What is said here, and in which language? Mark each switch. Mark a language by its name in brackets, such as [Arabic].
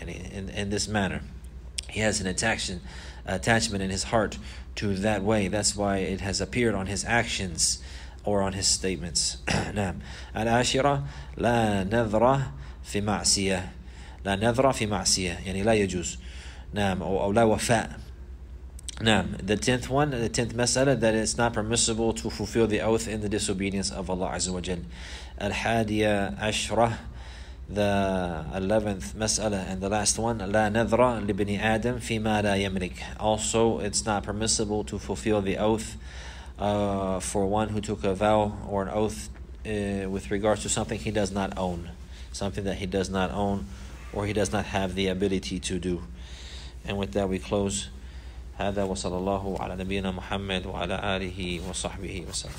[English] And in this manner, he has an attachment in his heart to that way. That's why it has appeared on his actions or on his statements. [Arabic] نعم. العاشرة لا نذرة في معصية. لا نذرة في معصية. يعني لا يجوز. نعم. أو لا وفاء. نعم. [English] The tenth one, the tenth مسألة, that it's not permissible to fulfill the oath in the disobedience of Allah Azza wa Jal. [Arabic] الحادية عشرة, [English] the 11th [Arabic] مسألة, [English] and the last one, [Arabic] لا نذرة لبن آدم فيما لا يملك. [English] Also, it's not permissible to fulfill the oath for one who took a vow or an oath with regards to something he does not own. Something that he does not own or he does not have the ability to do. And with that we close. [Arabic] هذا وصلى الله على نبينا محمد وعلى آله وصحبه وسلم.